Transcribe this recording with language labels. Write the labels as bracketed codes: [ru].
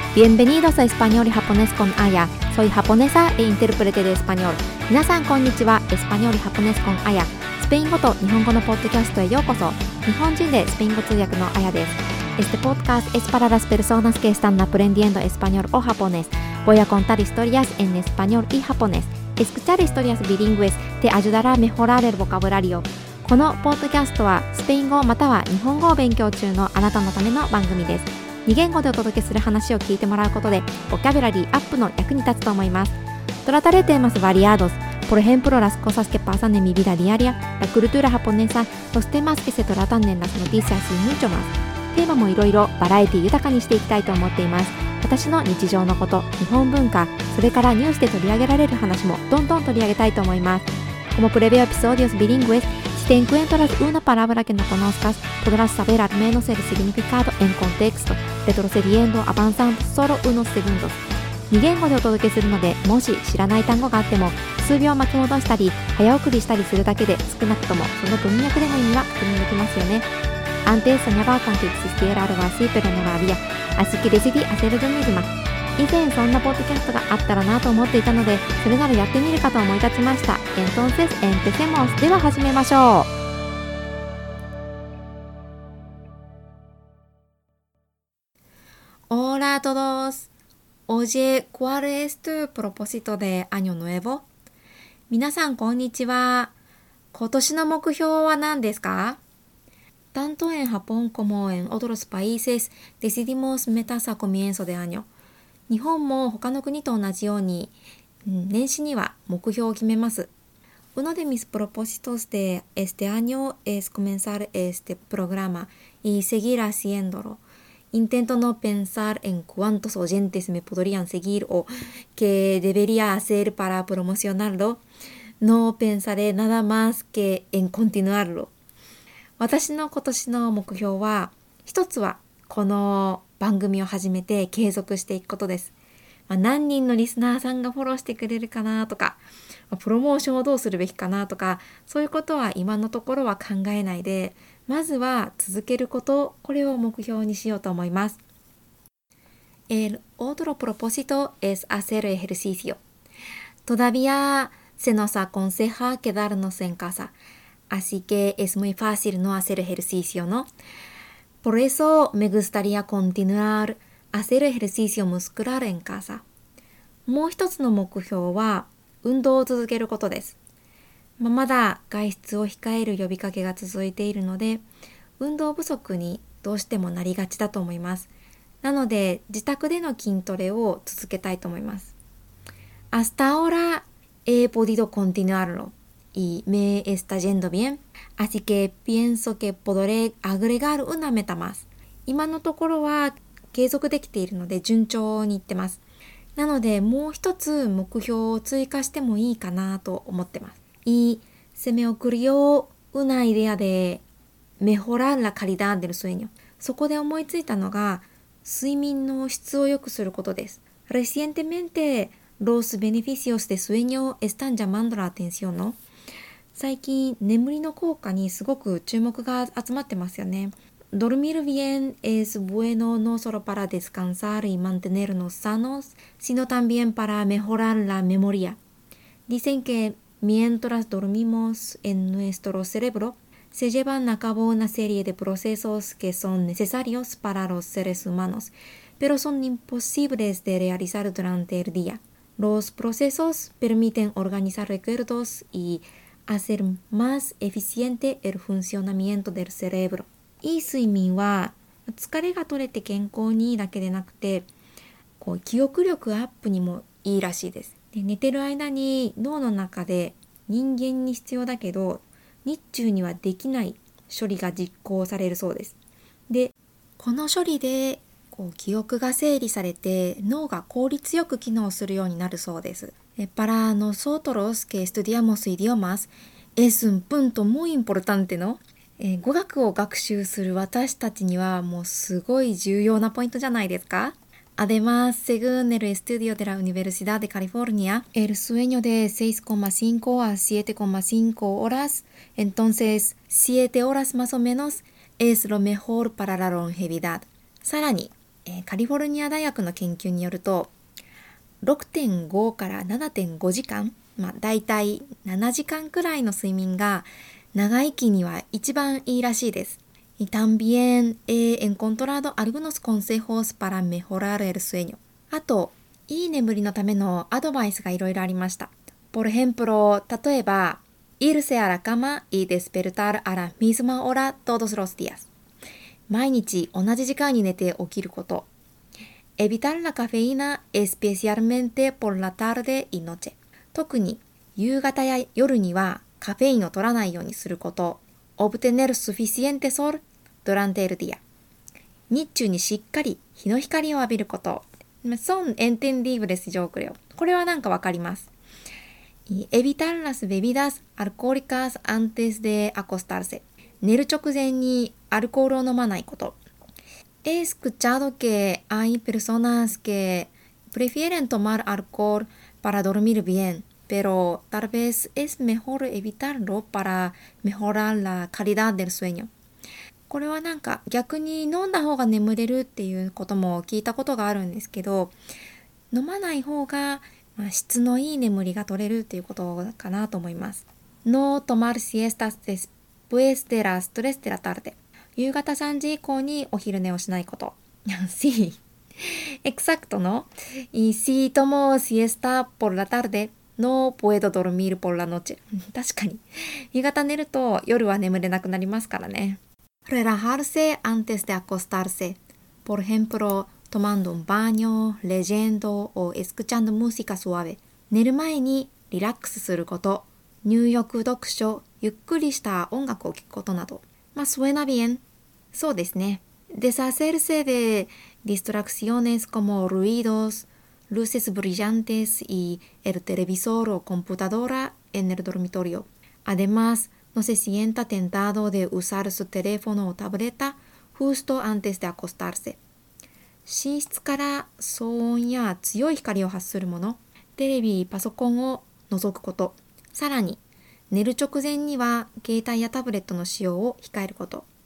[es] Bienvenidos a Español y Japonés con Aya. Soy japonesa e intérprete de español. [ja] 皆さんこんにちは。 [es] Español y Japonés con Aya。 [ja] スペイン語と日本語のポッドキャストへようこそ。日本人でスペイン語通訳のAyaです。 [es] Este podcast es para las personas que están aprendiendo español o japonés. Voy a contar historias en español y japonés. Escuchar historias bilingües te ayudará a mejorar el vocabulario. [ja] このポッドキャストはスペイン語または日本語を勉強中のあなたのための番組です。 2言語でお届けする話を聞いてもらうことで、ボキャブラリーアップの役に立つと思います。 [es] Trataré temas variados, por ejemplo, las cosas que pasan en mi vida diaria, la cultura japonesa, los temas que se tratan en las noticias y mucho más. [ja] テーマもいろいろバラエティ豊かにしていきたいと思っています。私の日常のこと、日本文化、それからニュースで取り上げられる話もどんどん取り上げたいと思います。 [es] Como preveo episodios bilingües,Te encuentras una palabra que no conozcas, podrás saber al menos el significado en contexto, retrocediendo, avanzando solo unos segundos. [ja] 2言語でお届けするので、もし知らない単語があっても、数秒巻き戻したり、早送りしたりするだけで少なくともその文脈での意味は確認できますよね。 [es] Antes soñaba con que existiera algo así, pero no lo había. Así que decidí hacer de mí misma. [ja] 以前そんなポッドキャストがあったらなと思っていたので、それならやってみるかと思い立ちました。 [es] Entonces, empecemos. [ja] では始めましょう。 [es] Hola a todos. Oye, ¿cuál es tu propósito de año nuevo? [ja] 皆さん、こんにちは。今年の目標は何ですか？ [es] Tanto en Japón como en otros países, decidimos metas a comienzo de año. [ja] 日本も他の国と同じように、年始には目標を決めます。 [es] Uno de mis propósitos de este año es comenzar este programa y seguir haciéndolo. Intento no pensar en cuántos oyentes me podrían seguir o qué debería hacer para promocionarlo. No pensaré nada más que en continuarlo. [ja] 私の今年の目標は、一つはこの番組を始めて継続していくことです。まあ、何人のリスナーさんがフォローしてくれるかなとか、まあ、プロモーションをどうするべきかなとか、そういうことは今のところは考えないで、まずは続けること、これを目標にしようと思います。 [es] El otro propósito es hacer ejercicio. Todavía se nos aconseja quedarnos en casa. Así que es muy fácil no hacer ejercicio, ¿no? Por eso me gustaría continuar hacer ejercicio muscular en casa. [ja] もう一つの目標は運動を続けることです。まあ、まだ外出を控える呼びかけが続いているので、運動不足にどうしてもなりがちだと思います。なので、自宅での筋トレを続けたいと思います。 [es] Hasta ahora he podido continuarlo. Y me está yendo bien. Así que pienso que podré agregar una meta más. [ja] 今のところは継続できているので順調にいってます。なのでもう一つ目標を追加してもいいかなと思ってます。 [es] Y se me ocurrió una idea de mejorar la calidad del sueño. [ja] そこで思いついたのが睡眠の質を良くすることです。 [es] Recientemente los beneficios de sueño están llamando la atención, ¿no? [ja] 最近、眠りの効果にすごく注目が集まってますよね。 [es] Dormir bien es bueno no solo para descansar y mantenernos sanos, sino también para mejorar la memoria. Dicen que mientras dormimos en nuestro cerebro, se llevan a cabo una serie de procesos que son necesarios para los seres humanos, pero son imposibles de realizar durante el día. Los procesos permiten organizar recuerdos yHacer más eficiente el funcionamiento del cerebro. [ja] いい睡眠は疲れが取れて健康にいいだけでなくてこう記憶力アップにもいいらしいです。で寝てる間に脳の中で人間に必要だけど日中にはできない処理が実行されるそうです。で、この処理でこう記憶が整理されて脳が効率よく機能するようになるそうです。 [es] Para nosotros que estudiamos idiomas, es un punto muy importante, ¿no? [ja] 語学を学習する私たちにはもうすごい重要なポイントじゃないですか? [es] Además, según el estudio de la Universidad de California, el sueño de 6,5 a 7,5 horas, entonces 7 horas más o menos, es lo mejor para la longevidad. [ja] さらに、カリフォルニア大学の研究によると 6.5 から 7.5 時間、まあ、大体7時間くらいの睡眠が長生きには一番いいらしいです。 [es] Y también he encontrado algunos consejos para mejorar el sueño. [ja] あと、いい眠りのためのアドバイスがいろいろありました。 [es] Por ejemplo, [ja] 例えば、 [es] irse a la cama y despertar a la misma hora todos los días. [ja] 毎日同じ時間に寝て起きること。 [es] Evitar la cafeína especialmente por la tarde y noche. [ja] 特に、夕方や夜にはカフェインを取らないようにすること。 [es] Obtener suficiente sol durante el día. [ja] 日中にしっかり日の光を浴びること。 [es] Son entendibles, yo creo. [ja] これはなんかわかります。 [es] Evitar las bebidas alcohólicas antes de acostarse. [ja] 寝る直前にアルコールを飲まないこと。 [es] He escuchado que hay personas que prefieren tomar alcohol para dormir bien. Pero tal vez es mejor evitarlo para mejorar la calidad del sueño. [ja] これはなんか逆に飲んだ方が眠れるっていうことも聞いたことがあるんですけど、飲まない方が質のいい眠りが取れるっていうことかなと思います。 [es] No tomar siestas después de las 3 de la tarde. [ja] 夕方3時以降にお昼寝をしないこと。 [es] Sí, exacto, ¿no? Y si tomo siesta por la tardeNo puedo dormir por la noche. [ja] 確かに。夕方寝ると夜は眠れなくなりますからね。 [es] Relajarse antes de acostarse. Por ejemplo, tomando un baño, leyendo o escuchando música suave. [ja] 寝る前にリラックスすること。入浴、読書、ゆっくりした音楽を聴くことなど。 [es] まあ、suena bien. [ja] そうですね。 [es] Deshacerse de distracciones como ruidos,Luces brillantes y el televisor o computadora en el dormitorio. Además, no se sienta tentado de usar su teléfono o tableta justo antes de acostarse. [ja] 寝室から騒音や強い光を発するもの、テレビ、パソコンを覗くこと。さらに、寝る直前には携帯やタブレットの使用を控えること。